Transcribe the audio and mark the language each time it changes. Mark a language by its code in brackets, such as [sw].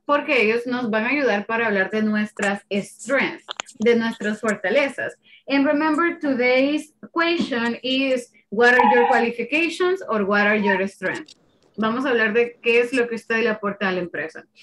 [es] Porque ellos nos van a ayudar para hablar de nuestras strengths, de nuestras fortalezas. [en] And remember, today's question is, what are your qualifications or what are your strengths? [es] Vamos a hablar de qué es lo que usted le aporta a la empresa.